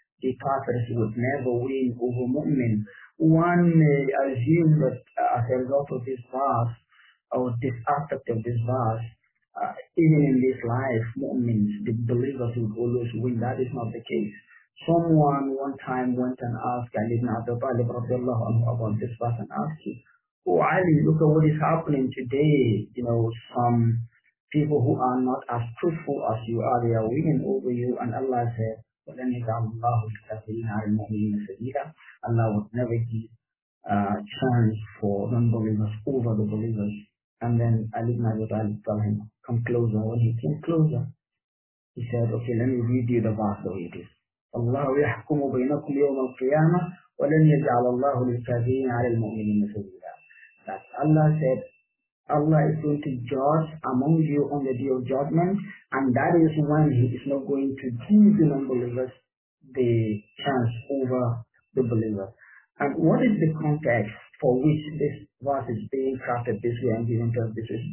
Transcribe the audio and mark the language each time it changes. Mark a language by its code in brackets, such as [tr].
[en] The kafirs would never win over mu'min. One may assume that as a result of this verse, or this aspect of this verse, even in this life, mu'mins, the believers would always win. That is not the case. Someone one time went and asked Ali ibn Abi Talib radiallahu anhu about this verse and asked him, oh Ali, look at what is happening today. You know, some people who are not as truthful as you are, they are winning over you. And Allah said, وَلَنْ يَجْعَلَ اللَّهُ لِلْكَافِرِينَ عَلَى الْمُؤْمِنِينَ سَبِيلًا. Allah would never give a chance for non-believers over the believers. And then Ali ibn Abi Talib told him, come closer. When he came closer, he said, okay, let me read you the verse the way it is. [ar] الله يحكم بينكم يوم القيامة ولن يجعل الله للكافرين على المؤمنين سبيلا. [en] That Allah said, Allah is going to judge among you on the Day of Judgment, and that is when He is not going to give the non-believers the chance over the believer. And what is the context for which this verse is being crafted this way and given to us this way?